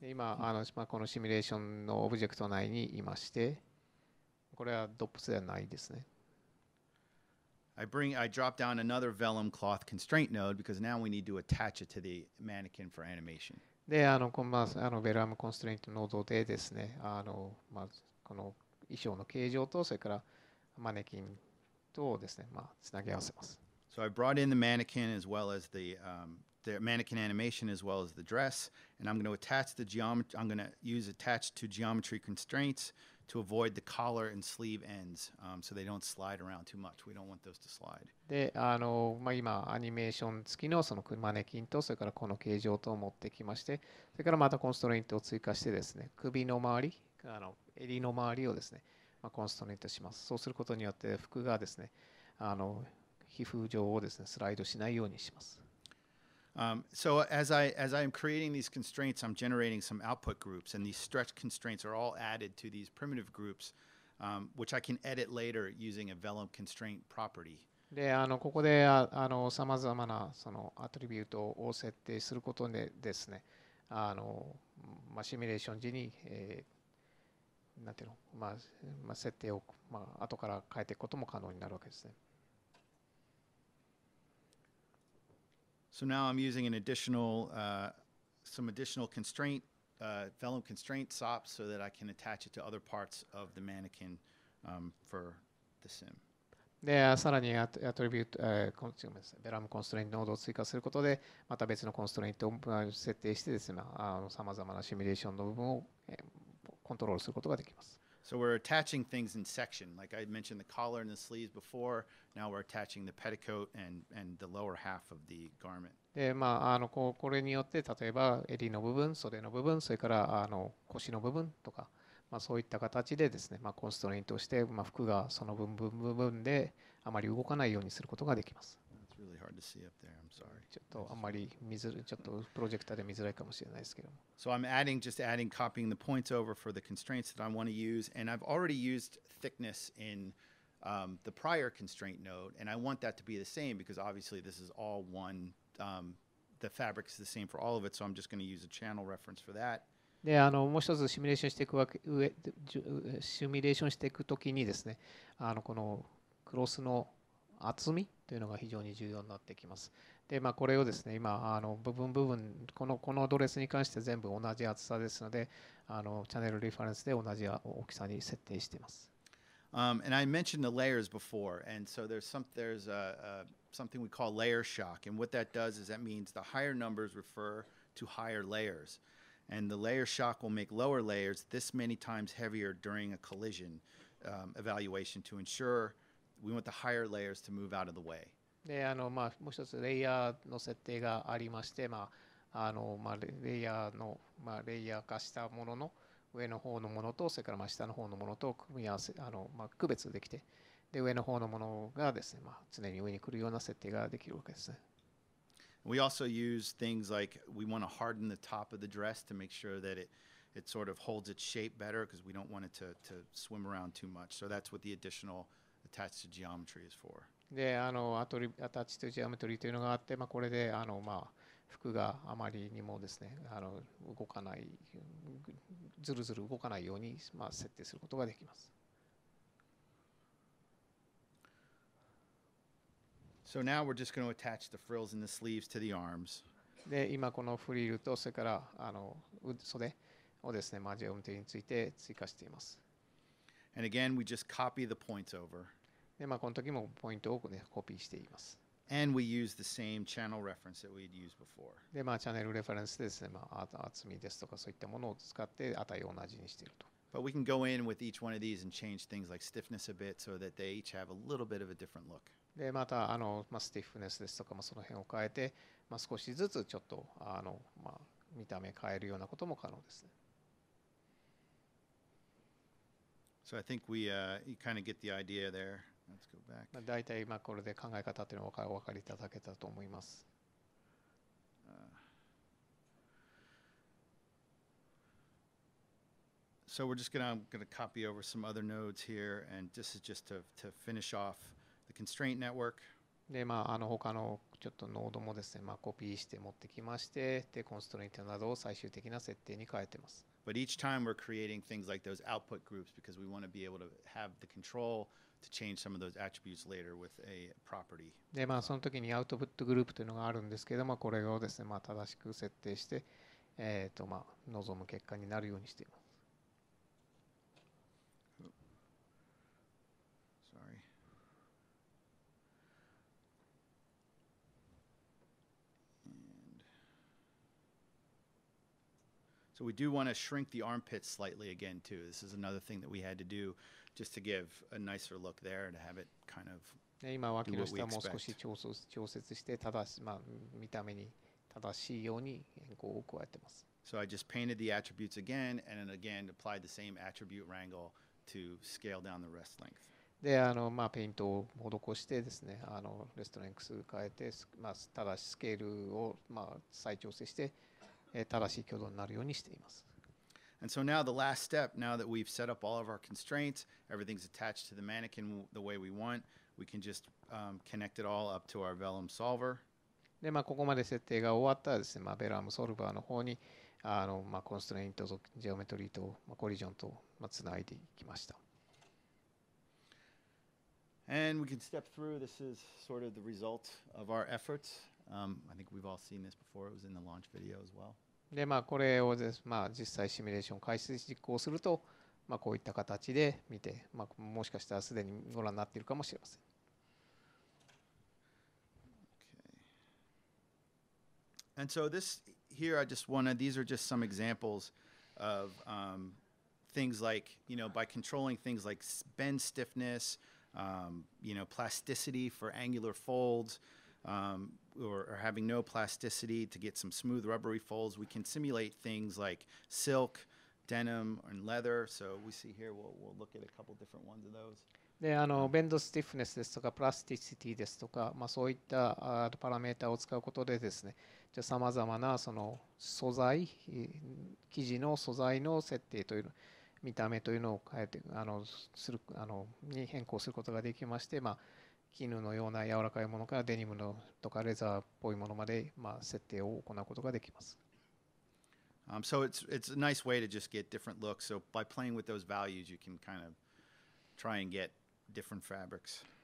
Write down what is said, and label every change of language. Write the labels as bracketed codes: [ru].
[ja] 今、あの、まあ、このシミュレーションのオブジェクト内にいまして、これは DOPS ではないですね。 [en] I drop down another Vellum cloth constraint node because now we need to attach it to the mannequin for animation. [ja] で、あの、この、まあ、あの、Vellum constraint ノードでですね、あの、まあ、この衣装の形状と、それからマネキンとですね、まあ、つなぎ合わせます。 [en] So I brought in the mannequin as well as the mannequin animation as well as the dress, and I'm going to attach the geometry. I'm going to use attach to geometry constraints to avoid the collar and sleeve ends, so they don't slide around too much. We don't want those to slide. [ja] で、あの、まあ、今アニメーション付きのそのマネキンとそれからこの形状と持ってきまして、それからまたコンストレイントを追加してですね、首の周り、あの、襟の周りをですね。まあ、コンストレイントします。そうすることによって服がですね、あの、皮膚上をですね、スライドしないようにします。 [en] So as I am creating these constraints, I'm generating some output groups, and these stretch constraints are all added to these primitive groups, which I can edit later using a Vellum constraint property. [ja] で、あの、ここで、あの、さまざまなそのアトリビュートを設定することでですね、あの、まあ、シミュレーション時に、なんていうの、まあ、まあ、設定を、まあ、後から変えていくことも可能になるわけですね。 [en] So now I'm using an additional, some additional constraint, Vellum constraint sop, so that I can attach it to other parts of the mannequin, for the sim. [ja] で、さらにアトリビュート、コンチューメス、ベラムコンストレイントノードを追加することで、また別のコンストレイントを設定してですね、あの、さまざまなシミュレーションの部分を、コントロールすることができます。 [en] So we're attaching things in section. Like I mentioned the collar and the sleeves before, now we're attaching the petticoat and the lower half of the garment. [ja] で、まあ、あの、これによって、例えば襟の部分、袖の部分、それから、あの、腰の部分とか、まあ、そういった形でですね、まあ、コンストレイントして、まあ、服がその部分部分であまり動かないようにすることができます。 [en] That's really hard to see up there. I'm sorry. [ja] ちょっとあんまり見づらい、ちょっとプロジェクターで見づらいかもしれないですけども。 [en] So I'm adding, just adding, copying the points over for the constraints that I want to use, and I've already used thickness in the prior constraint node, and I want that to be the same because obviously this is all one, the fabric is the same for all of it, so I'm just going to use a channel reference for that. [ja] で、あの、もう一つシミュレーションしていくわけ、シミュレーションしていくときにですね、あの、このクロスの厚みというのが非常に重要になってきます。で、まあ、これをですね、今、あの、部分部分、このドレスに関して全部同じ厚さですので、あの、チャンネルリファレンスで同じ大きさに設定しています。 [en] And I mentioned the layers before, and so there's something we call layer shock, and what that does is that means the higher numbers refer to higher layers. And the layer shock will make lower layers this many times heavier during a collision evaluation to ensure we want the higher layers to move out of the way. [ja] で、あの、まあ、もう一つレイヤーの設定がありまして、まあ、あの、まあ、レイヤーの、まあ、レイヤー化したものの上の方のものと、それからまあ下の方のものと組み合わせ、あの、まあ、区別できて、で、上の方のものがですね、まあ、常に上に来るような設定ができるわけですね。 [en] We also use things like we want to harden the top of the dress to make sure that it sort of holds its shape better because we don't want it to swim around too much. So that's what the additional attached to geometry is for. [ja] で、あの、attached to geometry というのがあって、まあ、これで、あの、まあ、服があまりにもですね、あの、動かない、ずるずる動かないように、まあ、設定することができます。 [en] So now we're just going to attach the frills and the sleeves to the arms. [ja] で、今このフリルとそれからあの袖をですね、マジオムテについて追加しています。 [en] And again, we just copy the points over. [ja] で、まあ、この時もポイントを、ね、コピーしています。 [en] And we use the same channel reference that we'd used before. [ja] で、まあ、チャンネルレファレンスですね、まあ、厚みですとかそういったものを使って値を同じにしていると。 [en] But we can go in with each one of these and change things like stiffness a bit so that they each have a little bit of a different look. [ja] でまたあの、まあ、スティフネスですとか、まあ、その辺を変えて、まあ、少しずつちょっとあの、まあ、見た目変えるようなことも可能ですね。 [en] So I think you kind of get the idea there. Let's go back. [ja] まあ、大体まあこれで考え方というのはお分かりいただけたと思います。 [en] So we're just gonna copy over some other nodes here, and this is just to finish off. The constraint network. [ja] で、まあ、あの他のちょっとノードもですね、まあ、コピーして持ってきまして、で、コンストレントなどを最終的な設定に変えてます。 [en] But each time we're creating things like those output groups because we want to be able to have the control to change some of those attributes later with a property. [ja] で、まあ、その時にアウトプットグループというのがあるんですけど、まあ、これをですね、まあ、正しく設定して、まあ、望む結果になるようにしています。 [en] So we do want to shrink the armpits slightly again too. This is another thing that we had to do just to give a nicer look there and have it kind of do what we expect. [ja] 今脇の下もう少し調節して正し、まあ、見た目に正しいように変更を加えてます。 [en] So I just painted the attributes again and then again applied the same attribute wrangle to scale down the rest length. [ja] で、あの、まあ、ペイントを施してですね、あの、レストレンクス変えて、まあ、正しいスケールを、まあ、再調整して正しい挙動になるようにしています。 [en] And so now the last step, now that we've set up all of our constraints, everything's attached to the mannequin the way we want, we can just connect it all up to our Vellum solver. [ja] で、まあ、ここまで設定が終わったらですね、まあ、Vellum solver の方に、あの、まあ、コンストレイントと、ジオメトリーと、まあ、コリジョンと、まあ、つないでいきました。 [en] And we can step through. This is sort of the result of our efforts. I think we've all seen this before. It was in the launch video as well. [ja] で、まあ、これをです、まあ、実際シミュレーション開始実行すると、まあ、こういった形で見て、まあ、もしかしたらすでにご覧になっているかもしれません。 [en] Okay. And so this here, I just wanted, these are just some examples of things like, you know, by controlling things like bend stiffness, you know, plasticity for angular folds,or having no plasticity to get some smooth rubbery folds, we can simulate things like silk, denim, and leather. So we see here, we'll look at a couple different ones of those. [ja] で、あの、ベンドスティフネスですとか、プラスティシティですとか、まあ、そういったパラメータを使うことでですね、じゃあ、さまざまなその素材、生地の素材の設定というの、見た目というのを変えて、あの、する、あの、に変更することができまして、まあ、絹のような柔らかいものからデニムのとかレザーっぽいものまで、まあ、設定を行うことができます。 [en] So it's a nice way to just get different looks. So by playing with those values, you can kind of try and get different fabrics.